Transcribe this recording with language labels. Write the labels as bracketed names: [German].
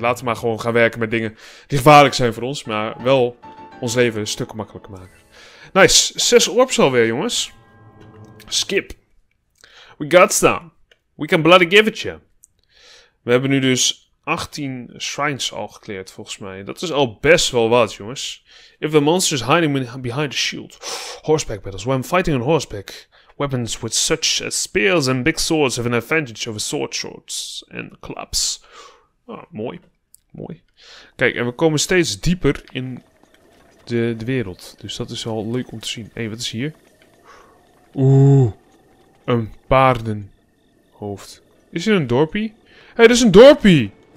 [Dutch] Laten we maar gewoon gaan werken met dingen die gevaarlijk zijn voor ons. Maar wel ons leven een stuk makkelijker maken. [English] Nice. 6 orbs [Dutch] alweer, jongens. [English] Skip. We got some. We can bloody give it you. [Dutch] We hebben nu dus 18 shrines al gekleerd, volgens mij. Dat is al best wel wat, jongens. [English] If the monster is hiding behind a shield. Horseback battles. When fighting on horseback... Weapons with such as spears and big swords have an advantage over sword shorts and clubs. [Dutch] Oh, mooi. Mooi. Kijk, en we komen steeds dieper in de wereld. Dus dat is wel leuk om te zien. Hé, wat is hier? Oeh. Een paardenhoofd. Is hier een dorpie? Hé, dat is een dorpie!